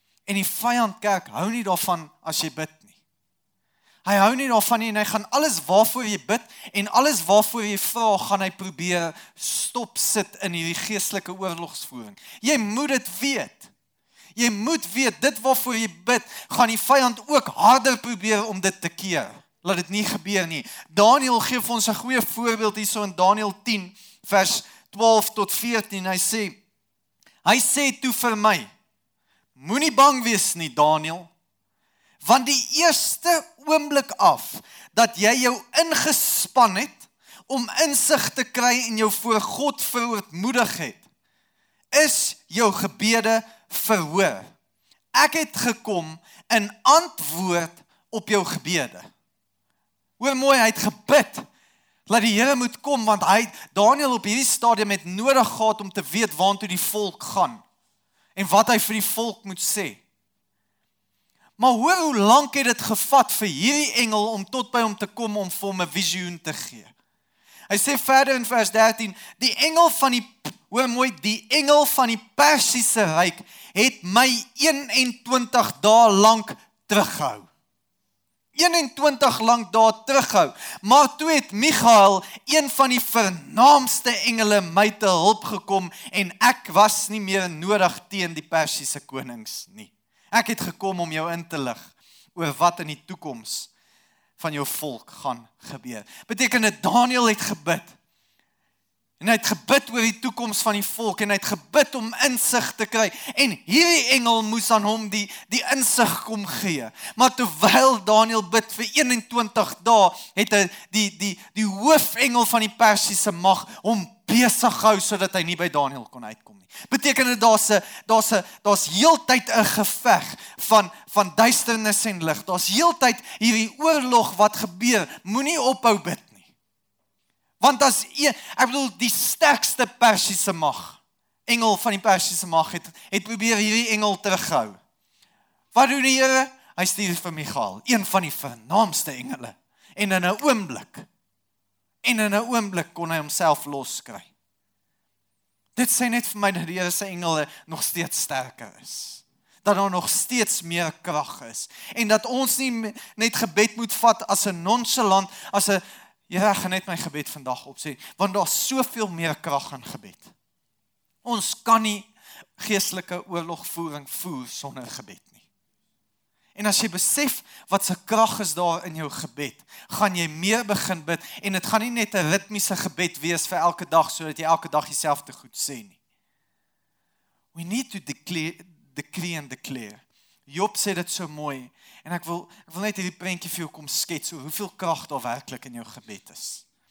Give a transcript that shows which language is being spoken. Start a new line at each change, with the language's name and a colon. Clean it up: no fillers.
Afrikaans: En die vyand kerk hou nie daarvan as jy bid nie. Hy hou nie daarvan nie en hy gaan alles waarvoor jy bid en alles waarvoor jy vra, gaan hy probeer stop sit in hierdie geestelike oorlogsvoering. Jy moet dit weet. Jy moet weet, dit waarvoor jy bid, gaan die vyand ook harder probeer om dit te keer. Laat dit nie gebeur nie. Daniel geef ons een goeie voorbeeld hier so in Daniel 10 vers 12 tot 14. Hy sê toe vir my, moenie bang wees nie Daniel, want die eerste oomblik af, dat jy jou ingespan het, om insig te kry en jou voor God verootmoedig het, is jou gebede verhoor. Ek het gekom in antwoord op jou gebede. Hoor mooi, hy het gebid, laat die Here moet kom, want hy, Daniel op hierdie stadium het nodig gehad om te weet waartoe die volk gaan, en wat hy vir die volk moet sê. Maar hoor hoe lang het dit gevat vir hierdie engel om tot by hom te kom om vir hom 'n visioen te gee. Hy sê verder in vers 13, die engel van die, hoor mooi, die engel van die Persiese Ryk het my 21 dae lank teruggehou. 21 lang dae teruggehou. Maar toe het Michael, een van die vernaamste engele, my te hulp gekom en ek was nie meer nodig teen die Persiese konings nie. Ek het gekom om jou in te lig oor wat in die toekoms van jou volk gaan gebeur. Beteken dit, Daniel het gebid. En hy het gebid oor die toekoms van die volk en hy het gebid om insig te kry. En hierdie engel moes aan hom die insig kom gee. Maar terwyl Daniel bid vir 21 dae, het hy die hoofengel van die Persiese mag hom besig hou sodat hy nie by Daniel kon uitkom nie. Beteken dit daar's heeltyd 'n geveg van duisternis en lig. Daar's heeltyd hierdie oorlog wat gebeur. Moenie ophou bid. Want as, ek bedoel, die sterkste Persiese mag, engel van die Persiese mag, het probeer hierdie engel terughou. Wat doen die Here? Hy stuur vir Michael, een van die vernaamste engele. En in 'n oomblik, kon hy homself loskry. Dit sê net vir my dat die Here se engele nog steeds sterker is. Dat daar nog steeds meer krag is. En dat ons nie net gebed moet vat as 'n nonchalant, as 'n, Here, ek gaan net my gebed vandag opsê, want daar is soveel meer krag in gebed. Ons kan nie geestelike oorlogvoering voer sonder gebed nie. En as jy besef wat se krag is daar in jou gebed, gaan jy meer begin bid, en het gaan nie net 'n ritmiese gebed wees vir elke dag, so dat jy elke dag jyself te goed sê nie.
English: We need to decree and declare.
Afrikaans: Job sê dit so mooi, en ek wil net hierdie prentjie vir jou kom skets, hoeveel krag daar werklik in jou gebed is.